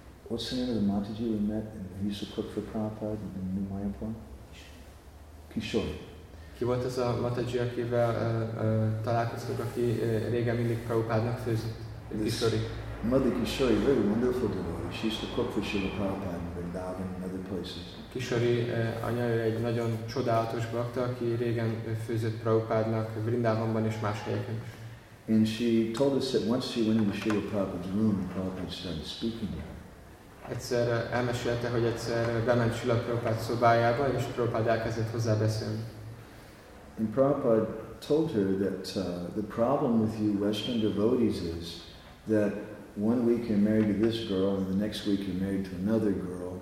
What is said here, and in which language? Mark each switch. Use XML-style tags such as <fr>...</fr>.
<en>What's the name of the Mataji we met and he used to cook for Prabhupada in New Mayapur? Kishore.</en> <hu>Ki volt az a Mataji, akivel találkoztunk, aki régen mindig Prabhupádnak főzött?</hu> <en>Kishori. Mother Kishori, very wonderful girl. She used to cook for Srila Prabhupada in Vrindavan and other places.</en> <hu>Kishori anya egy nagyon csodálatos bhakta, aki régen főzött Prabhupádnak Vrindavanban és más helyeken.</hu> <en>And she told us that once she went into Srila Prabhupada's room, Prabhupada started speaking to her.</en> <hu>Egyszer elmesélte, hogy egyszer bement Srila Prabhupada szobájába, és Prabhupada elkezdett hozzá beszélni.</hu> <en>And Prabhupada told her that the problem with you Western devotees is that one week you're married to this girl, and the next week you're married to another girl.</en>